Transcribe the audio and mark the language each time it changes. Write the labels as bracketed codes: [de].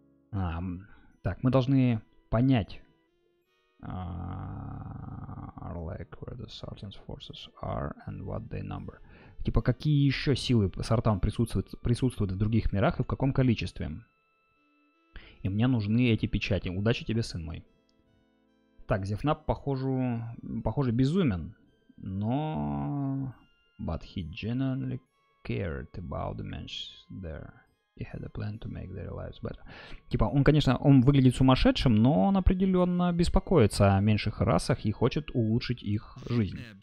[ru] Так, мы должны понять, [en] like where the sartans forces are and what they number. [ru] Типа, какие еще силы сартан присутствуют в других мирах и в каком количестве. И мне нужны эти печати. Удачи тебе, сын мой. Так, Зифнаб, похоже, безумен, но... [en] But he genuinely cared about the men there. He had a plan to make their lives better. [ru] Типа, он выглядит сумасшедшим, но он определенно беспокоится о меньших расах и хочет улучшить их жизнь.